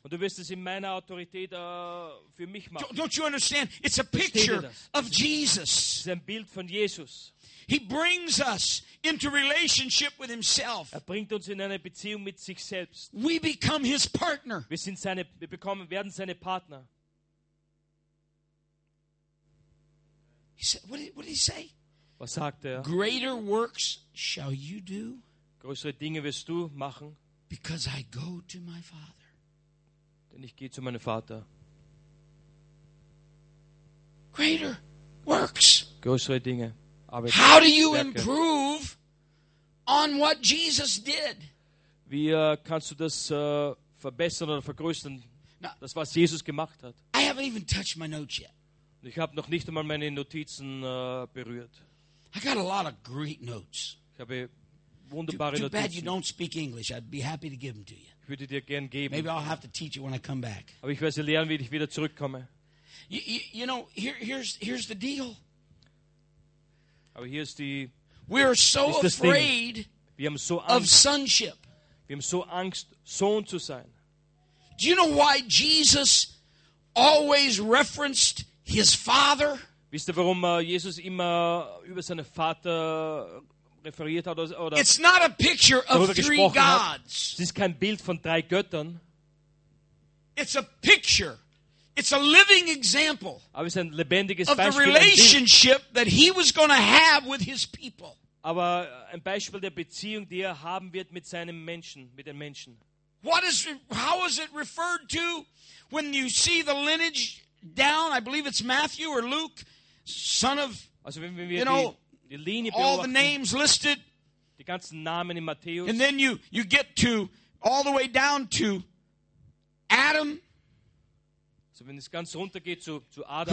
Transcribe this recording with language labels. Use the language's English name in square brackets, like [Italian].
[German] Und du wirst es in meiner Autorität für mich machen. [English] Don't you understand? It's a picture of Jesus. [German] Es ist ein Bild von Jesus. [English] He brings us into relationship with himself. [German] Er bringt uns in eine Beziehung mit sich selbst. [English] We become his partner. [German] Wir werden seine Partner. [English] What did he say? [German] Was sagt er? [English] Greater works shall you do. [German] Größere Dinge wirst du machen. [English] Because I go to my father. [German] Denn ich gehe zu meinem Vater. [English] Greater works. [German] Größere Dinge. Arbeit. [English] How do you improve on what Jesus did? [German] Wie kannst du das verbessern oder vergrößern? Now, das was Jesus gemacht hat. [English] I haven't even touched my notes yet. [German] Ich habe noch nicht einmal meine Notizen berührt. [English] I got a lot of great notes. [German] Ich habe wunderbare Notizen. [English] Too bad you don't speak English. I'd be happy to give them to you. [German] Würde dir gern geben. [English] Maybe I'll have to teach you when I come back. [German] Aber ich werde sie lernen, wenn ich wieder zurückkomme. [English] You know, here's the deal. [German] Aber hier ist die. [English] We are so afraid. [German] Wir haben so [English] of sonship. [German] Wir haben so Angst, Sohn zu sein. [English] Do you know why Jesus always referenced his father? [German] Wisst ihr, warum Jesus immer über seinen Vater referiert hat oder? [English] It's not a picture of three gods. [German] Es ist kein Bild von drei Göttern. [English] It's a picture. It's a living example. [German] Aber es ist ein lebendiges [English] of [German] Beispiel. [English] Of the relationship that he was going to have with his people. [German] Aber ein Beispiel der Beziehung, die er haben wird mit seinem Menschen, mit den Menschen. [English] What is, how is it referred to when you see the lineage down? I believe it's Matthew or Luke, son of, [German] also wenn wir [English] you know, [German] die Linie [English] all the names listed. [German] Die ganzen Namen in Matthäus. [English] And then you get to, all the way down to Adam. [German] Also wenn es ganz runter geht zu Adam.